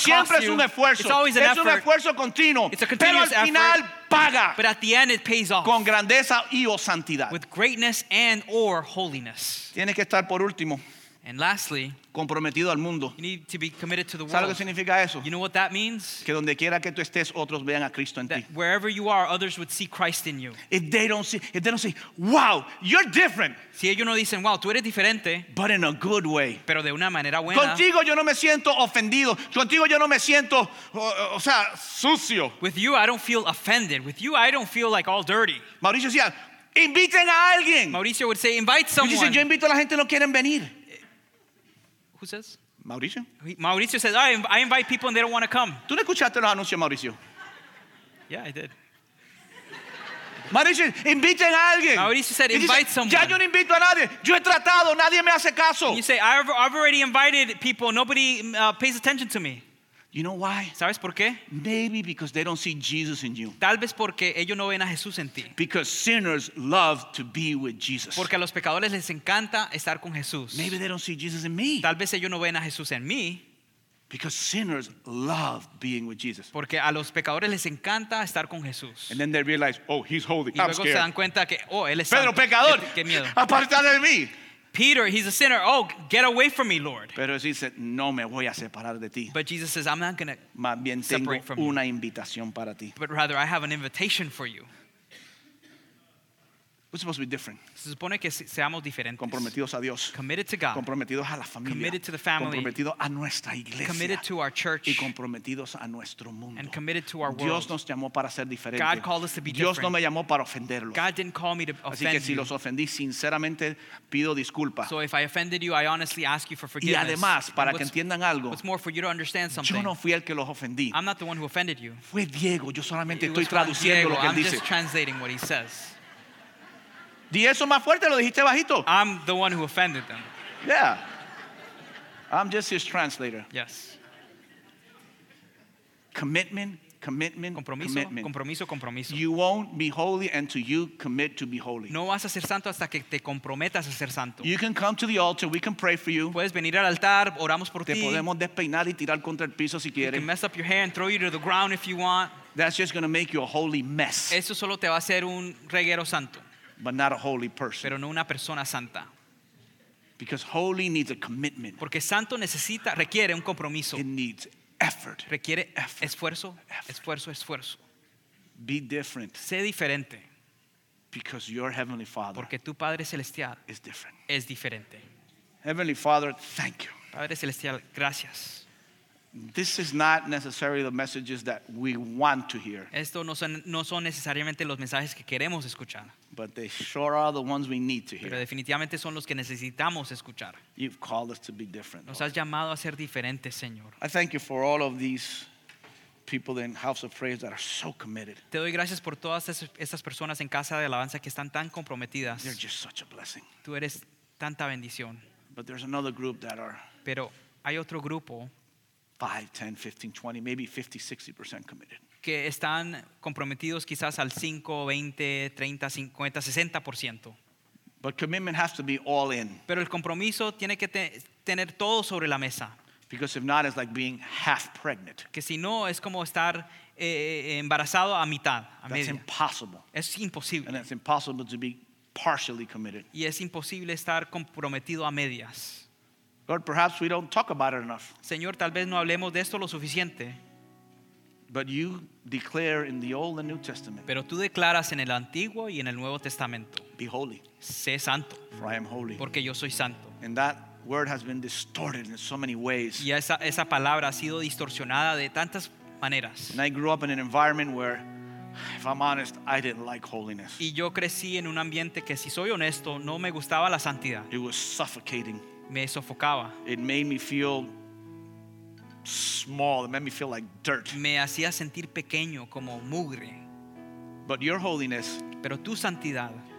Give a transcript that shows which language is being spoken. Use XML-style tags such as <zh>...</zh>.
<es>siempre</es> <en>costs</en> <es>es un</es> <en>you,</en> <es>esfuerzo,</es> <en>it's always an</en> <es>es</es> <en>effort,</en> <es>es un esfuerzo continuo,</es> <en>it's a continuous</en> <es>pero al final</es> <en>effort,</en> <es>paga,</es> <en>but at the end it pays off,</en> <es>con grandeza y o santidad,</es> <en>with greatness and or holiness,</en> <es>tiene que estar por último.</es> <en>And lastly,</en> <es>comprometido al mundo.</es> <en>You need to be committed to the world.</en> <es>¿Sabes qué significa eso?</es> <en>You know what that means?</en> <es>Que donde quiera que tú estés, otros vean a Cristo en ti.</es> <en>Wherever you are, others would see Christ in you. If they don't see, wow, you're different.</en> <es>Si ellos no dicen, wow, tú eres diferente.</es> <en>But in a good way.</en> <es>Pero de una manera buena. Contigo yo no me siento ofendido. Contigo yo no me siento, o sea, sucio.</es> <en>With you, I don't feel offended. With you, I don't feel like all dirty.</en> <es>Mauricio decía, inviten a alguien.</es> <en>Mauricio would say, invite someone.</en> <es>Dice, yo invito a la gente, no quieren venir.</es> <en>Who says? Mauricio. Mauricio says, I invite people and they don't want to come.</en> <es>¿Tú no escuchaste los anuncios, Mauricio?</es> <en>Yeah, I did.</en> <es>Mauricio, inviten a alguien.</es> <en>Mauricio said, invite someone.</en> <es>Ya yo no invito a nadie. Yo he tratado, nadie me hace caso.</es> <en>You say, I've already invited people. Nobody pays attention to me. You know why?</en> <es>¿Sabes por qué?</es> <en>Maybe because they don't see Jesus in you.</en> <es>Tal vez porque ellos no ven a Jesús en ti.</es> <en>Because sinners love to be with Jesus.</en> <es>Porque a los pecadores les encanta estar con Jesús.</es> <en>Maybe they don't see Jesus in me.</en> <es>Tal vez ellos no ven a Jesús en mí.</es> <en>Because sinners love being with Jesus.</en> <es>Porque a los pecadores les encanta estar con Jesús.</es> <en>And then they realize, oh, he's holy. I'm scared.</en> <es>Y luego se dan cuenta que, oh, él es Pedro, santo. Pecador. Qué miedo. Aparta de mí.</es> <en>Peter, he's a sinner. Oh, get away from me, Lord.</en> <es>Pero Jesús dice, no me voy a separar de ti.</es> <en>But Jesus says, I'm not going to separate from</en> <es>una</es> <en>you.</en> <es>Invitación para ti.</es> <en>But rather, I have an invitation for you. We're supposed to be different.</en> <es>Se supone que seamos diferentes. Comprometidos a Dios.</es> <en>Committed to God.</en> <es>Comprometidos a la familia.</es> <en>Committed to the family.</en> <es>Comprometidos a nuestra iglesia.</es> <en>Committed to our church.</en> <es>Y comprometidos a nuestro mundo.</es> <en>And committed to our world.</en> <es>Dios nos llamó para ser diferentes.</es> <en>God called us to be different.</en> <es>Dios no me llamó para ofenderlos.</es> <en>God didn't call me to offend you.</en> <es>Así que si los ofendí, sinceramente pido disculpas.</es> <en>So if I offended you, I honestly ask you for forgiveness.</en> <es>Y además, para que entiendan algo,</es> <en>what's more for you to understand something.</en> <es>Yo no fui el que los ofendí.</es> <en>I'm not the one who offended you.</en> <es>Fue Diego. Yo solamente estoy traduciendo lo que él dice.</es> <en>I'm just translating what he says.</en> <es>Di eso más fuerte, lo dijiste bajito.</es> <en>I'm the one who offended them. Yeah. I'm just his translator. Yes. Commitment, commitment,</en> <es>compromiso,</es> <en>commitment.</en> <es>Compromiso, compromiso.</es> <en>You won't be holy until you commit to be holy.</en> <es>No vas a ser santo hasta que te comprometas a ser santo.</es> <en>You can come to the altar, we can pray for you.</en> <es>Puedes venir al altar, oramos por ti. Te podemos despeinar y tirar contra el piso si quieres.</es> <en>You can mess up your hair and throw you to the ground if you want. That's just going to make you a holy mess.</en> <es>Eso solo te va a hacer un reguero santo.</es> <en>But not a holy person.</en> <es>Pero no una persona santa.</es> <en>Because holy needs a commitment.</en> <es>Porque santo necesita, requiere un compromiso.</es> <en>It needs effort.</en> <es>Requiere</es> <en>effort.</en> <es>Esfuerzo, effort. Esfuerzo, esfuerzo.</es> <en>Be different.</en> <es>Sé diferente.</es> <en>Because your heavenly Father.</en> <es>Porque tu Padre Celestial</es> <en>is different.</en> <es>Es diferente.</es> <en>Heavenly Father, thank you.</en> <es>Padre Celestial, gracias.</es> <en>This is not necessarily the messages that we want to hear.</en> <es>Esto no son necesariamente los mensajes que queremos escuchar.</es> <en>But they sure are the ones we need to hear.</en> <es>Pero definitivamente son los que necesitamos escuchar.</es> <en>You've called us to be different.</en> <es>Nos has llamado a ser diferentes, Señor.</es> <en>I thank you for all of these people in House of Praise that are so committed.</en> <es>Te doy gracias por todas estas personas en Casa de Alabanza que están tan comprometidas.</es> <en>They're just such a blessing.</en> <es>Tú eres tanta bendición.</es> <en>But there's another group that are.</en> <es>Pero hay otro grupo.</es> <en>5, 10, 15, 20, maybe 50, 60% committed.</en> <es>Que están comprometidos quizás al 5, 20, 30, 50, 60%.</es> <en>But commitment has to be all in.</en> <es>Pero el compromiso tiene que tener todo sobre la mesa.</es> <en>Because if not, it's like being half pregnant.</en> <es>Que si no, es como estar embarazado a mitad, a media.</es> <en>That's impossible.</en> <es>Es imposible.</es> <en>And it's impossible to be partially committed.</en> <es>Y es imposible estar comprometido a medias.</es> <en>Lord, perhaps we don't talk about it enough.</en> <es>Señor, tal vez no hablemos de esto lo suficiente.</es> <en>But you declare in the Old and New Testament.</en> <es>Pero tú declaras en el Antiguo y en el Nuevo Testamento.</es> <en>Be holy.</en> <es>Sé santo.</es> <en>For I am holy.</en> <es>Porque yo soy santo.</es> <en>And that word has been distorted in so many ways.</en> <es>Y esa palabra ha sido distorsionada de tantas maneras.</es> <en>And I grew up in an environment where, if I'm honest, I didn't like holiness.</en> <es>Y yo crecí en un ambiente que, si soy honesto, no me gustaba la santidad.</es> <en>It was suffocating.</en> <es>Me sofocaba.</es> <en>It made me feel small. It made me feel like dirt.</en> <es>Me hacía sentir pequeño, como mugre.</es> <en>But your holiness,</en> <es>pero tu santidad,</es>